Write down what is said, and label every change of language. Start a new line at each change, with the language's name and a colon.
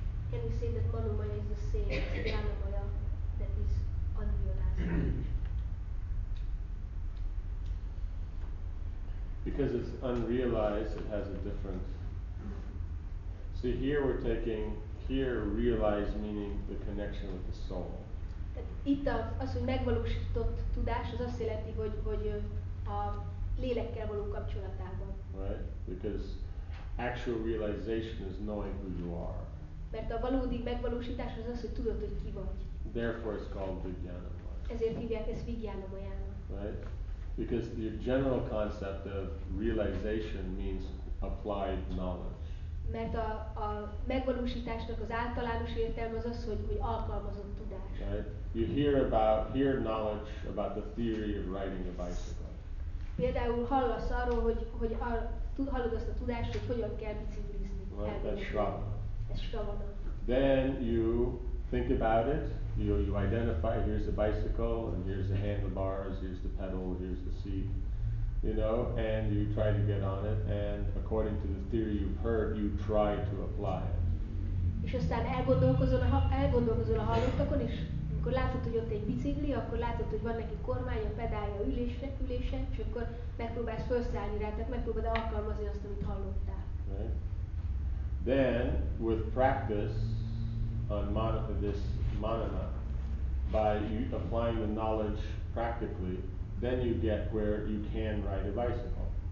English: Can you say that manomaya is the same as vijnanamaya that is unrealized? Because it's unrealized, it has a different See, here we're taking, here realized meaning the connection with the soul.
Hungarian: Itt az, hogy megvalósított tudás, az azt jelenti, hogy a lélekkel való kapcsolatában.
English: Right? Because actual realization is knowing who you are.
Hungarian: Mert a valódi megvalósítás az az, hogy tudod, hogy ki vagy.
English: Therefore it's called vijnana maya.
Hungarian: Ezért hívják ezt vijnana maya.
English: Right? Because the general concept of realization means applied knowledge.
Hungarian: Mert a megvalósításnak az általános értelme az az, hogy alkalmazott tudás.
English: Right? You hear knowledge about the theory of riding a bicycle.
Hungarian: Például hallasz arról, hogy hallod azt a tudást, hogy hogyan kell biciklizni.
English: Right? That's shravana.
Hungarian: Ez shravana.
English: Then you think about it. You identify, here's the bicycle, and here's the handlebars, here's the pedal, here's the seat. You know, and you try to get on it, and according to the theory you've heard, you try to apply it.
Hungarian: És aztán elgondolkozol a hallottakon, és amikor látod, hogy ott egy bicikli, akkor látod, hogy van neki kormánya, pedálja, ülése, és akkor megpróbálsz felszállni rá, tehát megpróbálod alkalmazni azt, amit hallottál.
English: Right. Then, with practice on this manana, by applying the knowledge practically, then you get where you can ride a bicycle.